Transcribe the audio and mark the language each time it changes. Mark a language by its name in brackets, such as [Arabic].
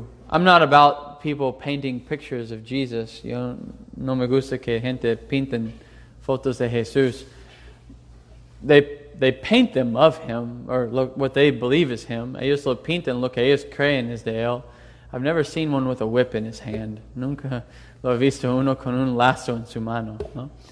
[English] I'm not about people painting pictures of Jesus. [Spanish] Yo no me gusta que gente pinten fotos de Jesús. [English] They paint them of him, or look what they believe is him. [Spanish] Ellos lo pintan lo que ellos creen es de él. [English] I've never seen one with a whip in his hand. [Spanish] Nunca lo he visto uno con un lazo en su mano, ¿no?